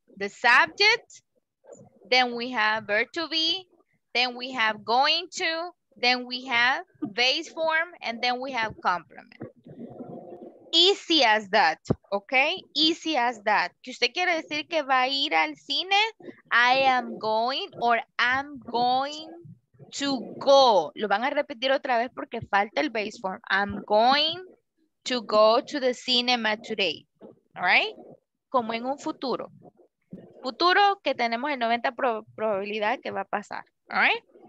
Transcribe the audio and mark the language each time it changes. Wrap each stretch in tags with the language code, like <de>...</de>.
<en>The subject, then we have verb to be, then we have going to, then we have base form, and then we have complement. Easy as that, okay? Easy as that.</en> <es>¿Que usted quiere decir que va a ir al cine?</es> <en>I am going or I'm going to go.</en> <es>Lo van a repetir otra vez porque falta el base form.</es> <en>I'm going to go to the cinema today, all right?</en> <es>Como en un futuro. Futuro que tenemos el 90% probabilidad que va a pasar, all right?</es>